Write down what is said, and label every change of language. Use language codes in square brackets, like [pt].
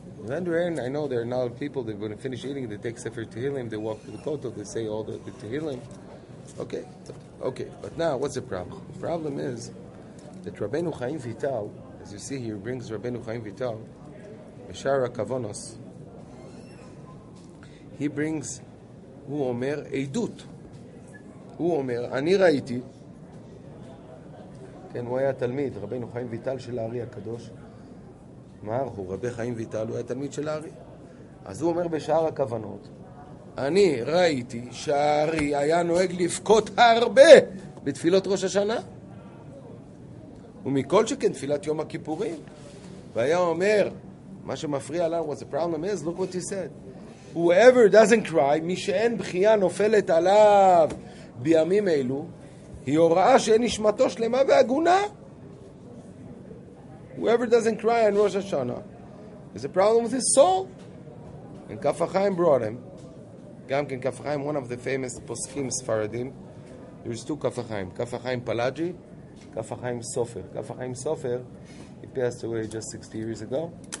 [en] I know there are now people that when they finish eating they take Sefer Tehillim, they walk to the Kotel, they say all the Tehillim. Okay, but now what's the problem? The problem is that Rabbeinu Chaim Vital, as you see here, brings Rabbeinu Chaim Vital, Meshara Kavonos, he brings, [he] Hu Omer Eidut. Hu Omer, Ani Raiti, כן, הוא היה תלמיד, רבנו חיים ויטל של הארי הקדוש, מר, הוא רבי חיים ויטל, הוא היה תלמיד של הארי. אז הוא אומר בשאר הכוונות, אני ראיתי שהארי היה נוהג לבכות הרבה בתפילות ראש השנה, ומכל שכן תפילת יום הכיפורים, והיה אומר, מה שמפריע לנו, [en] what's the problem is, look what he said, whoever doesn't cry, [he] מי שאין בכייה נופלת עליו בימים אלו, היא הוראה שאין נשמתו שלמה והגונה. [en] Whoever doesn't cry on Rosh Hashanah is a problem with his soul. And Kaf HaChaim brought him. [he] גם כן [en] Kaf HaChaim, one of the famous poskim Sfaradim. There's two Kaf HaChaim. Kaf HaChaim Palaji, Kaf HaChaim Sofer. Kaf HaChaim Sofer, he passed away just 60 years ago.